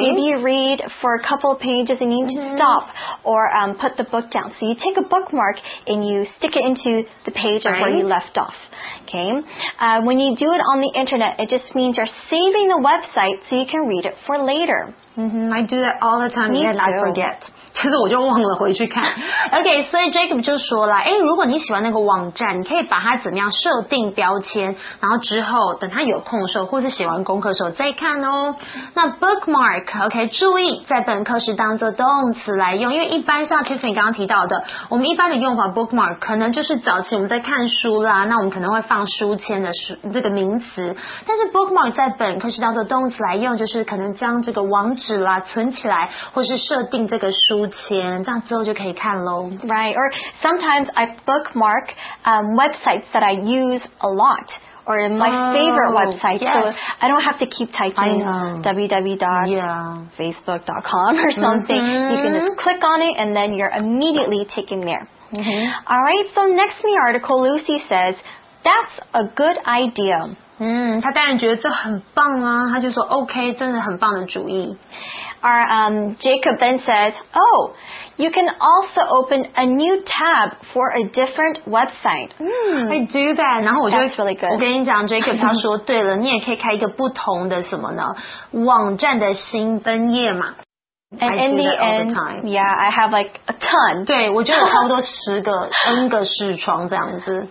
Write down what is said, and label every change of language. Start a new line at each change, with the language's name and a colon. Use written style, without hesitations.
English: maybe you read for a couple of pages and you need mm-hmm. to stop or put the book down. So you take a bookmark and you stick it into the page right. of where you left off. Okay. When you do it on the internet, it just means you're saving the website so you can read it for later. Mm-hmm. I do that all the time. Me and too. I forget.
Chinese: 其实我就忘了回去看。 OK, 所以 Jacob 就说了、欸、如果你喜欢那个网站，你可以把它怎么样设定标签，然后之后等他有空的时候或是写完功课的时候再看哦。那 bookmark, OK, 注意在本课时当作动词来用，因为一般像 Tiffany 刚刚提到的，我们一般的用法 bookmark 可能就是早期我们在看书啦，那我们可能会放书签的书这个名词，但是 bookmark 在本课时当作动词来用，就是可能将这个网址啦存起来，或是设定这个书签，这样之后就可以看咯。
English: Right, or sometimes I bookmark websites that I use a lot, or my favorite website, yes. so I don't have to keep typing www.facebook.com or something. Mm-hmm. You can just click on it and then you're immediately taken there. Mm-hmm. All right, so next in the article, Lucy says, that's a good idea.
Chinese: 嗯，他当然觉得这很棒啊，他就说 OK, 真的很棒的主意。
English: Our Jacob then says, oh, you can also open a new tab for a different website. I do that.
Chinese: 然后我就
English: That's really good.
Chinese: 我跟你讲 Jacob 他说对了，你也可以开一个不同的什么呢，网站的新分页嘛。
English: And in the end, the yeah, I have like a ton.
Chinese: 对，我觉得差不多十个 N 个视窗这样子。